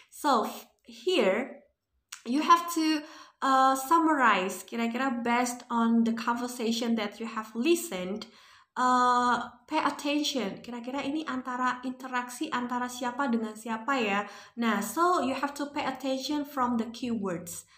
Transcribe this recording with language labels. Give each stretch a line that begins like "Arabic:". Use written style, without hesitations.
English: So here you have to summarize kira-kira based on the conversation that you have listened. Pay attention.
Indonesian: Kira-kira ini antara interaksi antara siapa dengan siapa ya.
English: Nah, so you have to pay attention from the keywords.